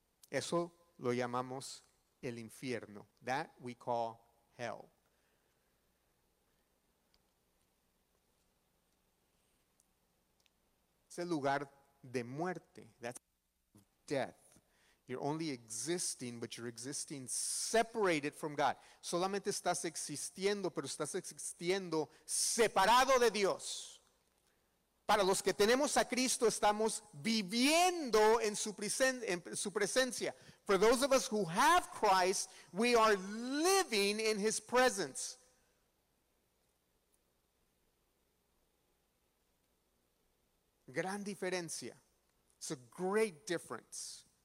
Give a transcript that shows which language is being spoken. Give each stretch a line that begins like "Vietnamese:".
Spanish: Eso lo llamamos el infierno.
English: That we call hell.
Spanish: Es el lugar de muerte.
English: That's death. You're only existing, but you're existing separated from God.
Spanish: Solamente estás existiendo, pero estás existiendo separado de Dios. Para los que tenemos a Cristo, estamos viviendo en su presencia.
English: For those of us who have Christ, we are living in His presence.
Spanish: Gran diferencia.
English: It's a great difference.